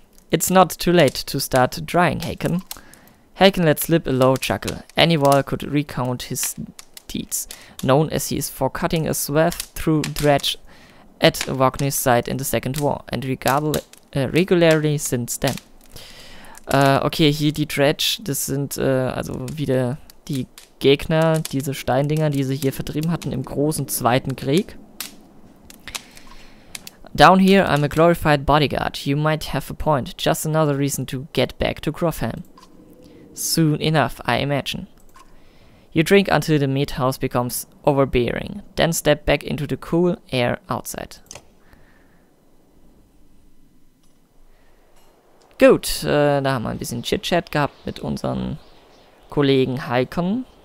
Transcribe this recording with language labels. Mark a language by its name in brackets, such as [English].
[English] It's not too late to start drying, Haken. Haken let slip a low chuckle. Any wall could recount his deeds, known as he is for cutting a swath through dredge at Wagner's side in the Second War, and regularly since then. [German] Okay, hier die Dredge, das sind also wieder die Gegner, diese Steindinger, die sie hier vertrieben hatten im großen Zweiten Krieg. [English] Down here, I'm a glorified bodyguard. You might have a point. Just another reason to get back to Grofheim. Soon enough, I imagine. You drink until the meat house becomes overbearing, then step back into the cool air outside. [German] Gut, da haben wir ein bisschen Chit-Chat gehabt mit unseren Kollegen Haken.